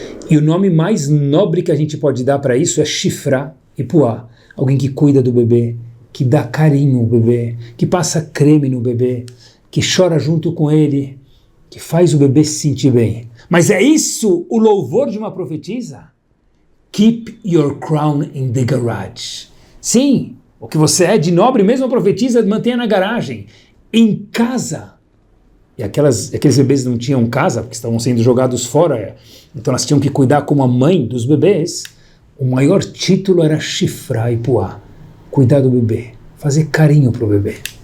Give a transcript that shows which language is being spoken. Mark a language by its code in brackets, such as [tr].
[pt] E o nome mais nobre que a gente pode dar para isso é Shifra e Puá. Alguém que cuida do bebê, que dá carinho ao bebê, que passa creme no bebê, que chora junto com ele, que faz o bebê se sentir bem. Mas é isso o louvor de uma profetisa? [en] Keep your crown in the garage. [pt] Sim, o que você é de nobre, mesmo a profetisa, mantenha na garagem, em casa. E aqueles bebês não tinham casa, porque estavam sendo jogados fora, então elas tinham que cuidar como a mãe dos bebês. O maior título era Shifra e Puá. Cuidar do bebê, fazer carinho para o bebê.